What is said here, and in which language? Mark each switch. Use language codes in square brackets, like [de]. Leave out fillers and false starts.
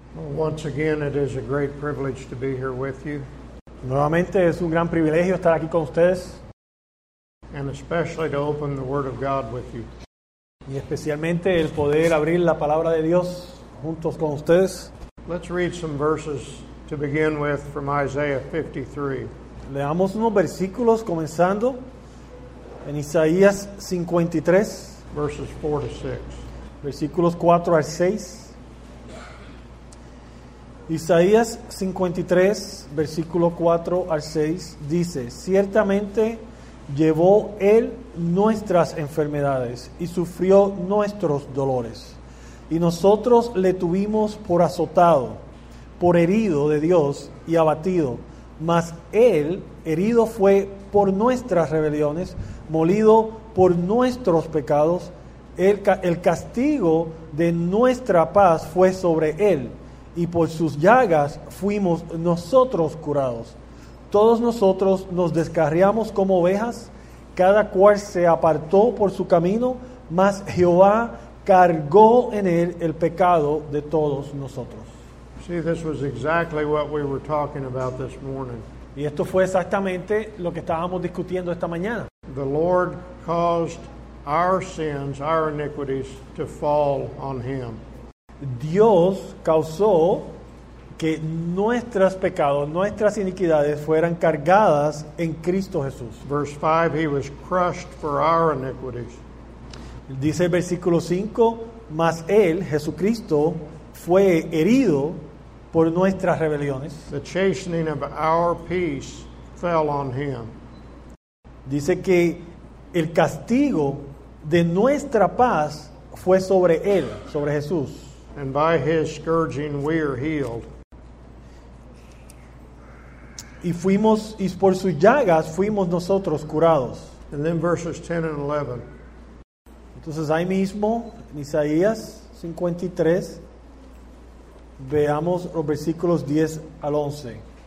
[en] Once again, it is a great privilege to be here with you. [es] Nuevamente es un gran privilegio estar aquí con ustedes. [en] And especially to open the Word of God with you. [es] Y especialmente el poder abrir la palabra de Dios juntos con ustedes. [en] Let's read some verses to begin with from Isaiah 53. [es] Leamos unos versículos comenzando en Isaías 53, [en] verses 4 to 6. [es] Versículos 4 al 6. Isaías 53, versículo 4 al 6, dice: Ciertamente llevó Él nuestras enfermedades y sufrió nuestros dolores. Y nosotros le tuvimos por azotado, por herido de Dios y abatido. Mas Él herido fue por nuestras rebeliones, molido por nuestros pecados. El castigo de nuestra paz fue sobre Él. Y por sus llagas fuimos nosotros curados. Todos nosotros nos descarriamos como ovejas, cada cual se apartó por su camino, mas Jehová cargó en él el pecado de todos nosotros. [en] See, this was exactly what we were talking about this morning. [es] Y esto fue exactamente lo que estábamos discutiendo esta mañana. [en] The Lord caused our sins, our iniquities, to fall on him. [es] Dios causó que nuestros pecados, nuestras iniquidades fueran cargadas en Cristo Jesús. [en] Verse 5, he was crushed for our iniquities. [es] Dice el versículo 5, mas Él, Jesucristo, fue herido por nuestras rebeliones. [en] The chastening of our peace fell on him. [es] Dice que el castigo de nuestra paz fue sobre Él, sobre Jesús. [en] And by his scourging we are healed. [es] Y fuimos, y por sus llagas fuimos nosotros curados. [en] And then verses 10 and 11. [es] Entonces ahí mismo, en Isaías 53, veamos los versículos 10 al 11.